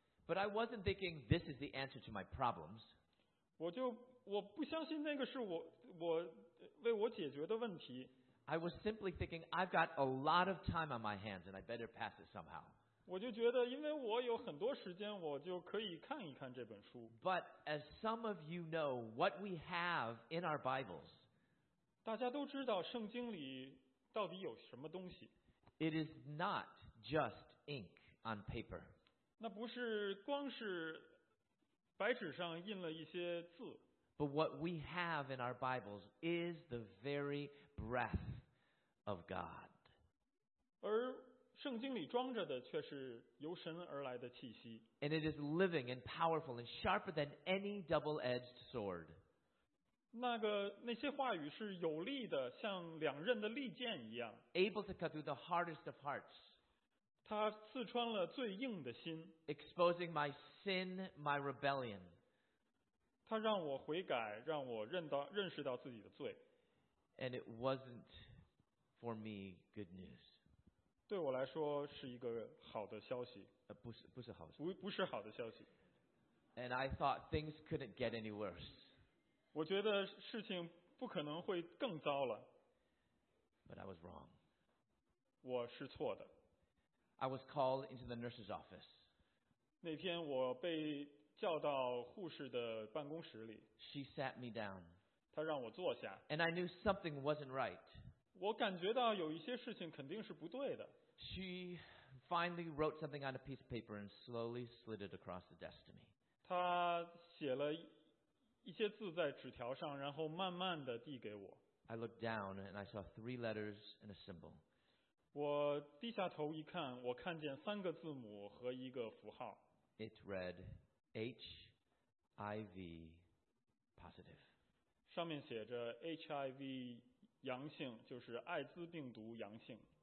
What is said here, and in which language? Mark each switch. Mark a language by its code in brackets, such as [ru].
[en] But I wasn't thinking this is the answer to my problems. [zh] 我不相信那个是我为我解决的问题。 [en] I was simply thinking I've got a lot of time on my hands, and I better pass it somehow. [zh] 我就觉得因为我有很多时间，我就可以看一看这本书。 [en] But as some of you know, what we have in our Bibles, [zh] 大家都知道圣经里到底有什么东西。 [en] It is not just ink on paper. [zh] 那不是光是白纸上印了一些字。 [en] But what we have in our Bibles is the very breath of God. [zh] 而圣经里装着的却是由神而来的气息。 [en] And it is living and powerful and sharper than any double-edged sword. [zh] 那些话语是有力的，像两刃的利剑一样。 [en] Able to cut through the hardest of hearts. [zh] 它刺穿了最硬的心。 [en] Exposing my sin, my rebellion. [zh] 它让我悔改，让我认识到自己的罪。 [en] And it wasn't for me good news. [zh] 对我来说是一个好的消息。不是好的消息。不是好的消息。 [en] And I thought things couldn't get any worse. [zh] 我觉得事情不可能会更糟了。 [en] But I was wrong. [zh] 我是错的。 [en] I was called into the nurse's office. [zh] 那天我被叫到护士的办公室里。 [en] She sat me down. [zh] 她让我坐下。 [en] And I knew something wasn't right. [zh] 我感觉到有一些事情肯定是不对的。 [en] She finally wrote something on a piece of paper and slowly slid it across the desk to me. [zh] 她写了一些字在纸条上，然后慢慢地递给我。 [en] I looked down and I saw 3 letters and a symbol. [zh] 我低下头一看，我看见三个字母和一个符号。 [en] It read HIV positive. [zh] 上面写着 [en] HIV positive. [zh] 阳性就是艾滋病毒阳性。